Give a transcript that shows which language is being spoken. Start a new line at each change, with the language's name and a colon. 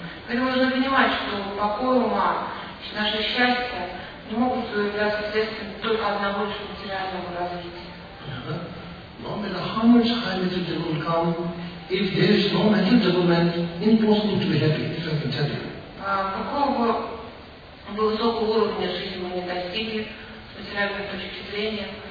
Russian: Поэтому нужно понимать, что покой ума, наше счастье не могут являться следствием только одного лишь материального развития.
English: No matter how much high material development come, if there is no mental development, impossible to be happy, if I can tell you.
Russian: Высокого уровня жизни мы не достигли с материальной точки зрения.